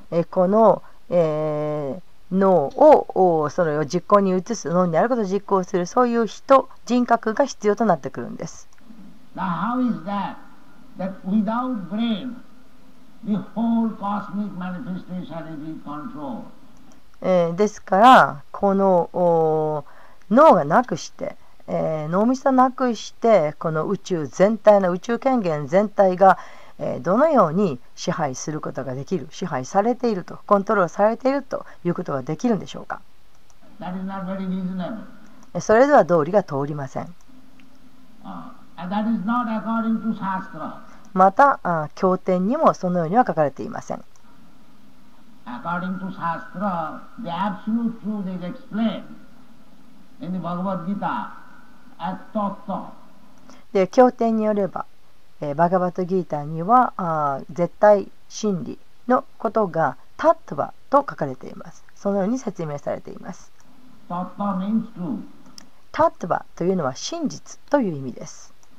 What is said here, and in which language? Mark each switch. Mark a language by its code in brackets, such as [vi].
[ja] この、脳をそれを実行に移す、脳にあることを実行する、そういう人、人格が必要となってくるんです。 [en] Now how is that? That without brain, the whole cosmic manifestation is in control. [ja] ですからこの脳がなくして、脳みそなくして、この宇宙全体の宇宙権限全体がどのように支配することができる、支配されていると、コントロールされているということができるんでしょうか。 [en] That is not very reasonable. [ja] それでは道理が通りません。 [en] That is not according to Shastra. [ja] また経典にもそのようには書かれていません。 [en] According to Shastra, the absolute truth is explained in the Bhagavad Gita as Tattva. [ja] で、経典によれば、バガバトギータには絶対真理のことがタットバと書かれています。そのように説明されています。 [en] Tattva means true. [ja] タットバというのは真実という意味です。